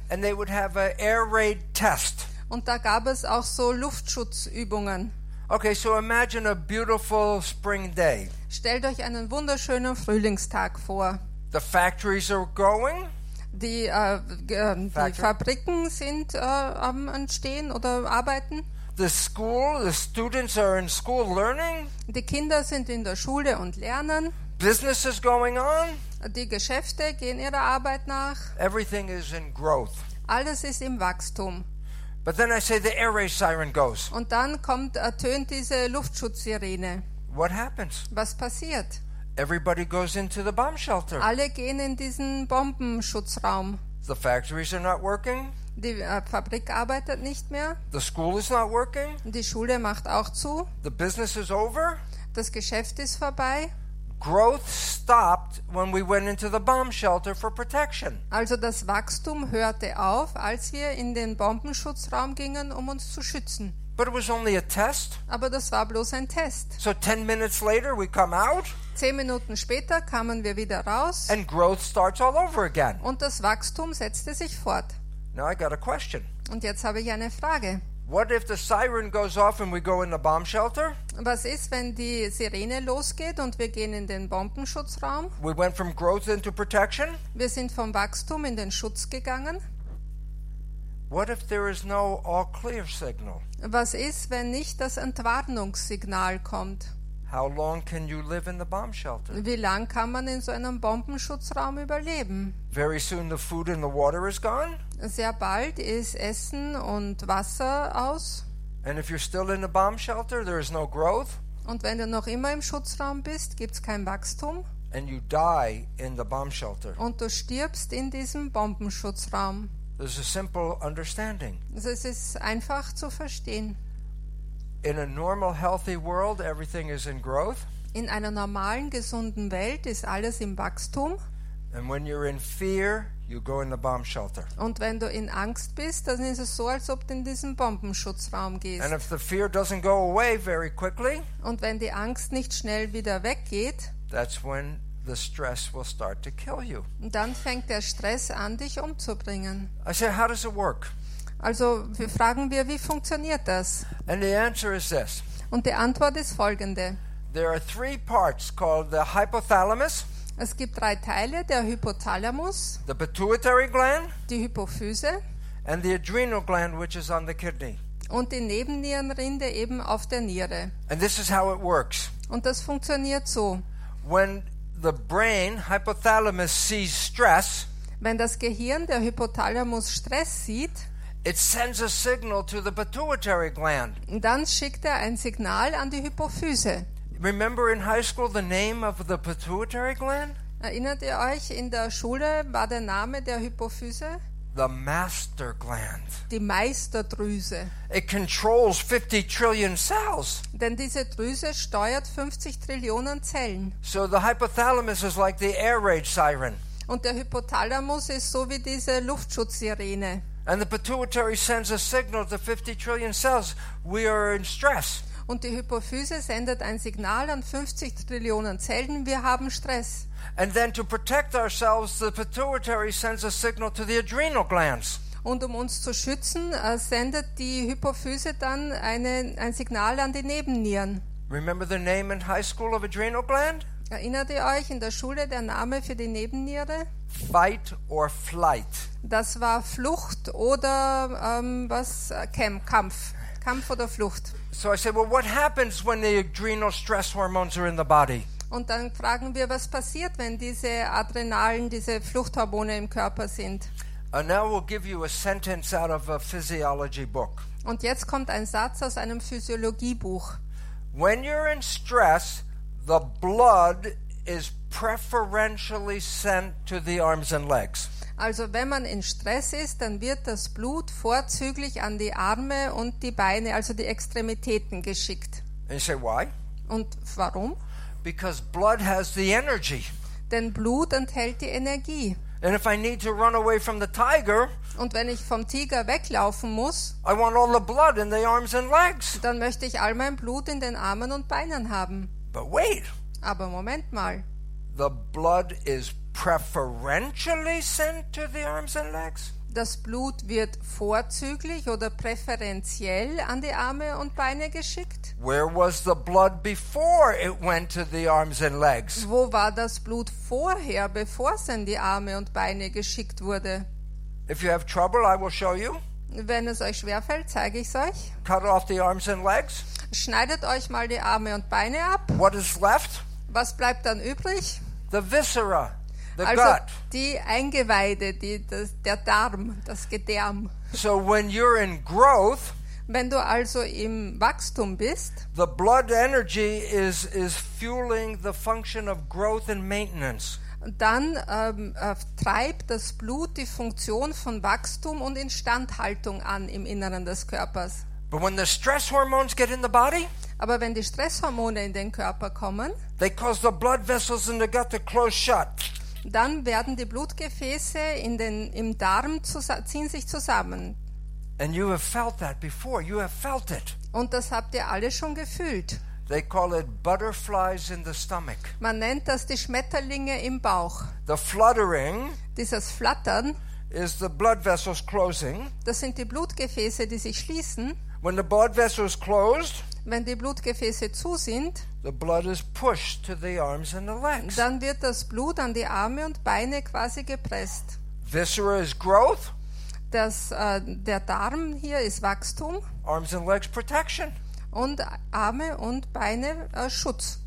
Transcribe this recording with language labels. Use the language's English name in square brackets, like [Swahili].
[English] And they would have an air raid test. [German] Und da gab es auch so Luftschutzübungen. [English] Okay, so imagine a beautiful spring day. [German] Stellt euch einen wunderschönen Frühlingstag vor. [English] The factories are going. [German] Die Fabriken sind am Entstehen oder arbeiten. [English] The students are in school learning. [German] Die Kinder sind in der Schule und lernen. [English] Business is going on. [German] Die Geschäfte gehen ihrer Arbeit nach. [English] Everything is in growth. [German] Alles ist im Wachstum. [English] But then I say the air raid siren goes. [German] Und dann kommt, ertönt diese Luftschutzsirene. [English] What happens? [German] Was passiert? [English] Everybody goes into the bomb shelter. [German] Alle gehen in diesen Bombenschutzraum. [English] The factories are not working. [German] Die Fabrik arbeitet nicht mehr. [English] The school is not working. [German] Die Schule macht auch zu. [English] The business is over. [German] Das Geschäft ist vorbei. [English] Growth stopped when we went into the bomb shelter for protection. [German] Also das Wachstum hörte auf, als wir in den Bombenschutzraum gingen, um uns zu schützen. [English] But it was only a test. [German] Aber das war bloß ein Test. [English] So 10 minutes later we come out. [German] 10 Minuten später kamen wir wieder raus. [English] And growth starts all over again. [German] Und das Wachstum setzte sich fort. [English] Now I got a question. [German] Und jetzt habe ich eine Frage. [English] What if the siren goes off and we go in the bomb shelter? [German] Was ist, wenn die Sirene losgeht und wir gehen in den Bombenschutzraum? [English] We went from growth into protection. [German] Wir sind vom Wachstum in den Schutz gegangen. [English] What if there is no all clear signal? [German] Was ist, wenn nicht das Entwarnungssignal kommt? [English] How long can you live in the bomb shelter? [German] Wie lang kann man in so einem Bombenschutzraum überleben? [English] Very soon the food and the water is gone. [German] Sehr bald ist Essen und Wasser aus. [English] And if you're still in the bomb shelter, there is no growth. [German] Und wenn du noch immer im Schutzraum bist, gibt's kein Wachstum. [English] And you die in the bomb shelter. [German] Und du stirbst in diesem Bombenschutzraum. [English] This is a simple understanding. [German] Es ist einfach zu verstehen. [English] In a normal, healthy world, everything is in growth. [German] In einer normalen, gesunden Welt ist alles im Wachstum. [English] And when you're in fear, you go in the bomb shelter. [German] Und wenn du in Angst bist, dann ist es so, als ob du in diesen Bombenschutzraum gehst. [English] And if the fear doesn't go away very quickly, [German] und wenn die Angst nicht schnell wieder weggeht, [English] that's when the stress will start to kill you. [German] Dann fängt der Stress an, dich umzubringen. [English] I said, how does it work? [German] Also fragen wir, wie funktioniert das? [English] And the answer is this. [German] Und die Antwort ist folgende. [English] There are three parts called the hypothalamus. [German] Es gibt drei Teile, der Hypothalamus, [English] the pituitary gland, [German] die Hypophyse, [English] and the adrenal gland, which is on the kidney. [German] Und die Nebennierenrinde eben auf der Niere. [English] And this is how it works. [German] Und das funktioniert so. [English] When the brain, hypothalamus, sees stress, [German] wenn das Gehirn, der Hypothalamus, Stress sieht, [English] it sends a signal to the pituitary gland. [German] Dann schickt ein Signal an die Hypophyse. [English] Remember in high school the name of the pituitary gland? [German] Erinnert ihr euch, in der Schule war der Name der Hypophyse? [English] The master gland. [German] Die Meisterdrüse. [English] It controls 50 trillion cells. [German] Denn diese Drüse steuert 50 Trillionen Zellen. [English] So the hypothalamus is like the air raid siren. [German] Und der Hypothalamus ist so wie diese Luftschutzsirene. [English] And the pituitary sends a signal to 50 trillion cells. We are in stress. [German] Und die Hypophyse sendet ein Signal an 50 Trillionen Zellen, wir haben Stress. [English] And then to protect ourselves, the pituitary sends a signal to the adrenal glands. [German] Und um uns zu schützen, sendet die Hypophyse dann ein Signal an die Nebennieren. [English] Remember the name in high school of adrenal gland? [German] Erinnert ihr euch in der Schule der Name für die Nebenniere? [English] Fight or flight. [German] Das war Flucht oder Kampf. Kampf oder Flucht. [English] So I said, well, what happens when the adrenal stress hormones are in the body? [German] Und dann fragen wir, was passiert, wenn diese Adrenalin, diese Fluchthormone im Körper sind? [English] And now we'll give you a sentence out of a physiology book. [German] Und jetzt kommt ein Satz aus einem Physiologiebuch. [English] When you're in stress, the blood is preferentially sent to the arms and legs. [German] Also wenn man in Stress ist, dann wird das Blut vorzüglich an die Arme und die Beine, also die Extremitäten, geschickt. [English] And you say, why? [German] Und warum? [English] Because blood has the energy. [German] Denn Blut enthält die Energie. [English] And if I need to run away from the tiger, [German] und wenn ich vom Tiger weglaufen muss, [English] I want all the blood in the arms and legs. [German] Dann möchte ich all mein Blut in den Armen und Beinen haben. [English] But wait. [German] Aber Moment mal. [English] The blood is preferentially sent to the arms and legs. [German] Das Blut wird vorzüglich oder präferentiell an die Arme und Beine geschickt. [English] Where was the blood before it went to the arms and legs? [German] Wo war das Blut vorher, bevor es an die Arme und Beine geschickt wurde? [English] If you have trouble, I will show you. [German] Wenn es euch schwerfällt, zeige ich es euch. [English] Cut off the arms and legs. [German] Schneidet euch mal die Arme und Beine ab. [English] What is left? [German] Was bleibt dann übrig? [English] The viscera, the [German] also [English] gut. [German] Die Eingeweide, der Darm, das Gedärm. [English] So when you're in growth, [German] wenn du also im Wachstum bist, [English] the blood energy is fueling the function of growth and maintenance. [German] Dann treibt das Blut die Funktion von Wachstum und Instandhaltung an im Inneren des Körpers. [English] But when the stress hormones get in the body, [German] Aber wenn die Stresshormone in den Körper kommen, [English] they cause the blood vessels in the gut to close shut. [German] Dann werden die Blutgefäße in den im Darm ziehen sich zusammen. [English] And you have felt that before. You have felt it. [German] Und das habt ihr alle schon gefühlt. [English] They call it butterflies in the stomach. [German] Man nennt das die Schmetterlinge im Bauch. [English] The fluttering. [German] Dieses Flattern. [English] Is the blood vessels closing? [German] Das sind die Blutgefäße, die sich schließen. [English] When the blood vessels closed. [German] Wenn die Blutgefäße zu sind, [English] the blood is pushed to the arms and the legs. [German] Dann wird das Blut an die Arme und Beine quasi gepresst. [English] Viscera is growth. [German] Das, der Darm hier ist Wachstum. [English] Arms and legs protection. [German] Und Arme und Beine Schutz.